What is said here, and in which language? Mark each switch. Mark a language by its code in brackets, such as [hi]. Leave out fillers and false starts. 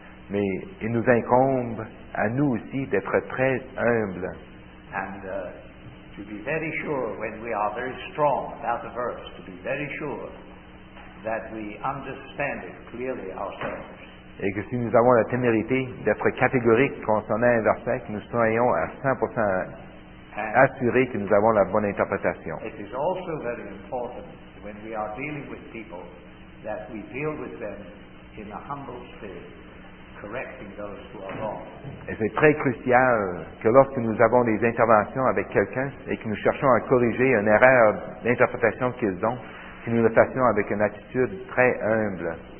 [fr] Mais il nous incombe à nous aussi d'être très humbles. [en] And to be very sure when we are very strong about a verse, to be very sure that we understand it clearly ourselves. [fr] Et que si nous avons la témérité d'être catégoriques concernant un verset, que nous soyons à 100% assurés que nous avons la bonne interprétation. [en] It is also very important when we are dealing with people that we deal with them in a humble spirit. Correcting those who are wrong. [fr] Et c'est très crucial que lorsque nous avons des interventions avec quelqu'un et que nous cherchons à corriger une erreur d'interprétation qu'ils ont, que nous le fassions avec une attitude très humble.